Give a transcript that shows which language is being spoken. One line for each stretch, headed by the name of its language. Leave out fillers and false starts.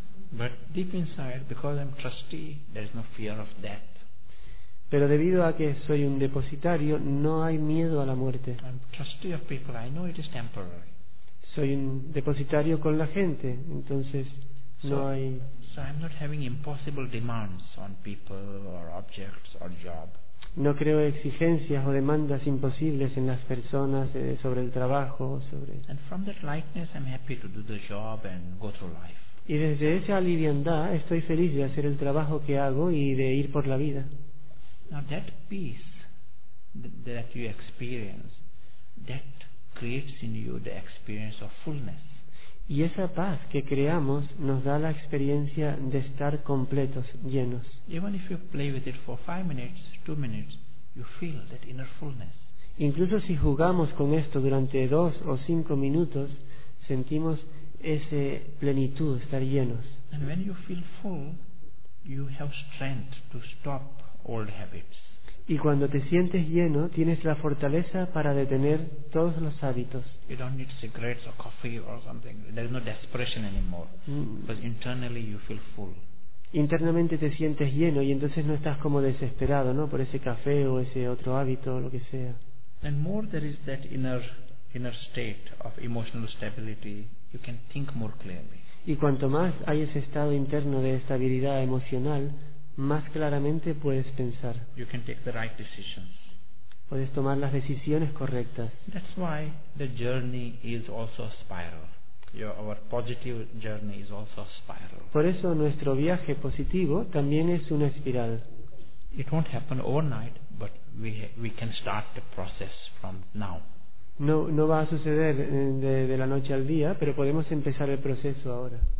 English: But deep inside, because I'm trustee, there's no fear of death.
Spanish: Pero debido a que soy un depositario, no hay miedo a la muerte.
English: I'm trustee of people. I know it is temporary.
Spanish: Soy un depositario con la gente, entonces no hay.
English: So I'm not having impossible demands on people or objects or job.
Spanish: No creo exigencias o demandas imposibles en las personas sobre el trabajo, sobre.
English: And from that lightness, I'm happy to do the job and go through life.
Spanish: Y desde esa liviandad, estoy feliz de hacer el trabajo que hago y de ir por la vida.
English: Now that peace that you experience, that creates in you the experience of fullness.
Spanish: Y esa paz que creamos nos da la experiencia de estar completos, llenos.
English: Even if you play with it for 5 minutes, 2 minutes, you feel that inner fullness.
Spanish: Incluso si jugamos con esto durante 2 o 5 minutos, sentimos esa plenitud, estar llenos.
English: And when you feel full, you have strength to stop. Old habits.
Spanish: Y cuando te sientes lleno, tienes la fortaleza para detener todos los hábitos.
English: You don't need cigarettes or coffee or something. There's no desperation anymore. Because internally you feel full.
Spanish: Internamente te sientes lleno y entonces no estás como desesperado, ¿no? Por ese café o ese otro hábito o lo que sea.
English: And more there is that inner state of emotional stability, you can think more clearly.
Spanish: Y cuanto más hay ese estado interno de estabilidad emocional, más claramente puedes pensar.
English: You can take the right decisions.
Spanish: Puedes tomar las decisiones correctas.
English: That's why the journey is also a spiral. Our positive journey is also a spiral.
Spanish: Por eso nuestro viaje positivo también es una espiral.
English: It won't happen overnight, but we can start the process from now.
Spanish: No va a suceder de la noche al día, pero podemos empezar el proceso ahora.